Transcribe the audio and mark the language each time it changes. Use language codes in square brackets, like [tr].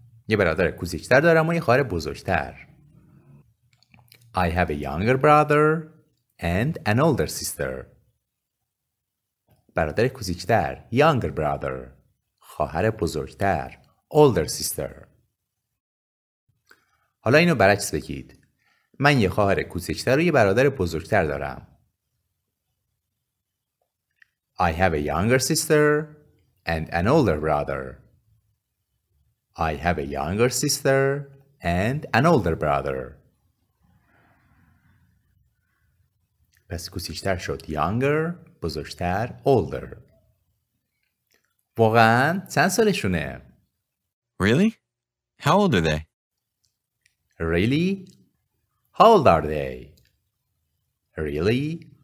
[fa] یه برادر کوچکتر دارم و یه خواهر بزرگتر. [en] I have a younger brother and an older sister. [fa] برادر کوچکتر. [en] Younger brother. [fa] خواهر بزرگتر. [en] Older sister. [fa] حالا اینو برعکس بگید. من یه خواهر کوچکتر و یه برادر بزرگتر دارم. [en] I have a younger sister and an older brother. I have a younger sister and an older brother. [fa] پس کوچیک‌تر شد younger، بزرگتر older. واقعاً چند سالشونه؟ [en] Really? How old are they? Really? How old are they? Really?